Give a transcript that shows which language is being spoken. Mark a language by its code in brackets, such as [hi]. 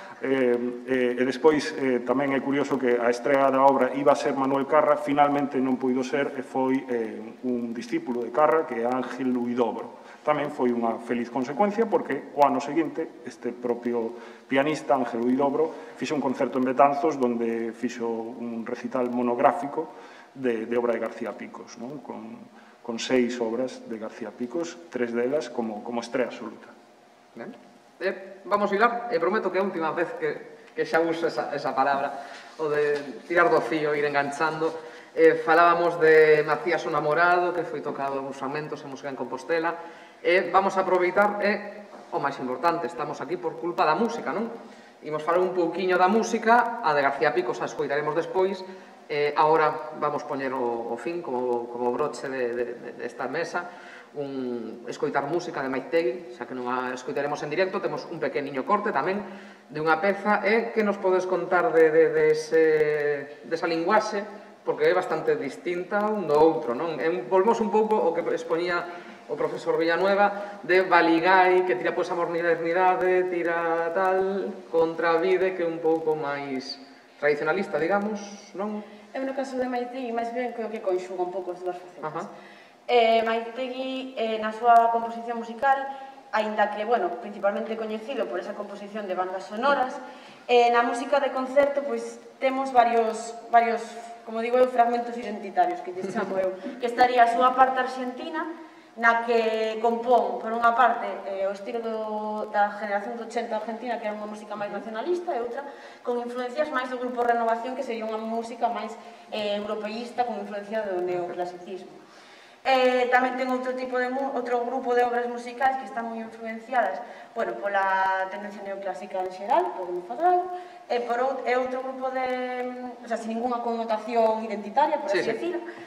[gl] E despois, tamén é curioso que a estrela da obra iba a ser Manuel Carra, finalmente non puido ser, e foi un discípulo de Carra, que é Ángel Luidobro. Tamén foi unha feliz consecuencia, porque o ano seguinte, este propio pianista, Ángel Luidobro, fixo un concerto en Betanzos, donde fixo un recital monográfico de obra de García Picos, ¿no? con seis obras de García Picos, tres delas como estrela absoluta. Bien. Vamos a hilar, prometo que é a última vez que xa uso esa palabra, o de tirar do fío, ir enganchando. Falábamos de Macías o Namorado, que foi tocado nos fragmentos en Música en Compostela. Vamos a aproveitar, o máis importante, estamos aquí por culpa da música, non? Imos falar un pouquiño da música, a de García Picos a escoitaremos despois. Agora vamos poñer o fin como broche desta mesa. Escoitar música de Maitegui, xa que non a escoitaremos en directo, temos un pequeniño corte tamén de unha peza. Que nos podes contar desa linguaxe? Porque é bastante distinta un do outro, non? Volvemos un pouco o que exponía o profesor Villanueva de Baligai, que tira pois a modernidade, tira tal, contra Vide, que é un pouco máis tradicionalista, digamos, non? É no caso de Maitegui, máis ben creo que conxuga un pouco as dúas facetas. Maitegui, na súa composición musical, aínda que, bueno, principalmente coñecido por esa composición de bandas sonoras, na música de concerto, pois, temos varios, como digo eu, fragmentos identitarios, que lle chamo eu, que estaría a súa parte arxentina, na que compón, por unha parte, o estilo da generación do 80 argentina, que era unha música máis nacionalista, e outra, con influencias máis do grupo Renovación, que sería unha música máis europeísta, con influencia do neoclasicismo. Tamén ten outro grupo de obras musicais que están moi influenciadas, bueno, pola tendencia neoclásica en xeral, por un fadrado, e outro grupo de... [es] O sea, sin ninguna connotación identitaria, por así decirlo.